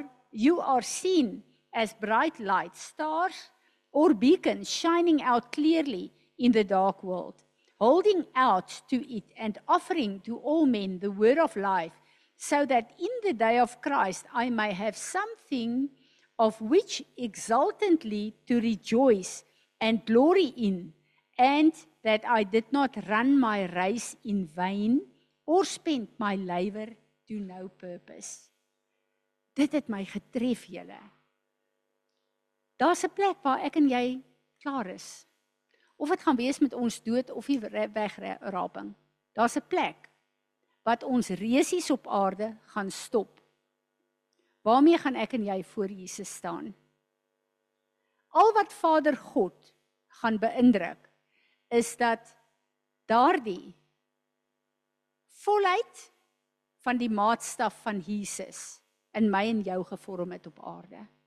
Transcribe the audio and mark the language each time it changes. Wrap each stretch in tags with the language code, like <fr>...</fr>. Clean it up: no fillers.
<en>you are seen as bright lights, stars or beacons shining out clearly in the dark world, holding out to it and offering to all men the word of life, so that in the day of Christ I may have something of which exultantly to rejoice and glory in, and that I did not run my race in vain or spent my labor to no purpose.</en> <af>Dit het my getref, julle. Daar's 'n plek waar ek en jy klaar is. Of dit gaan wees met ons dood of die wegraping. Daar's 'n plek wat ons reisies op aarde gaan stop. Waarmee gaan ek en jy voor Jesus staan? Al wat Vader God gaan beïndruk, is dat daardie volheid van die maatstaf van Jesus in my en jou gevorm het op aarde.</af>